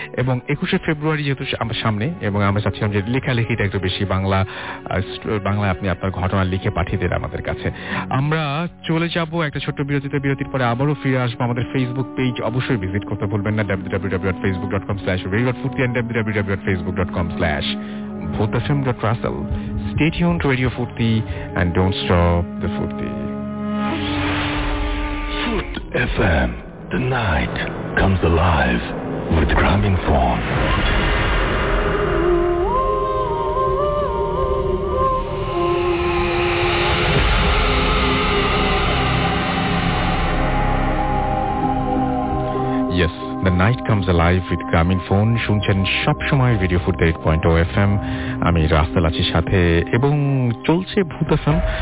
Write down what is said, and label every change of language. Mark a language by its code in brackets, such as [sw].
[bn] এবং 21 ফেব্রুয়ারি যেহেতু আমরা সামনে এবং আমরা চাচ্ছিলাম যে লেখালেখিটা একটু বেশি বাংলায় আপনি আপনার ঘটনা লিখে পাঠিয়ে দেন আমাদের কাছে। আমরা চলে যাব একটা ছোট্ট বিরতিতে, বিরতির পরে আবারও ফিরে আসবো। আমাদের ফেসবুক পেজ অবশ্যই ভিজিট করতে ভুলবেন না, www.facebook.com/radiofurti and www.facebook.com/bhutfm.rasel। [en] Stay tuned to Radio Furti and don't stop the Furti. Foot FM, the night comes alive with Grameen Phone. Yes, the night comes alive with Grameen Phone. [bn] শুনছেন সবসময় radio food 8.0 FM, আমি রাসেল আছি সাথে এবং চলছে ভূত FM.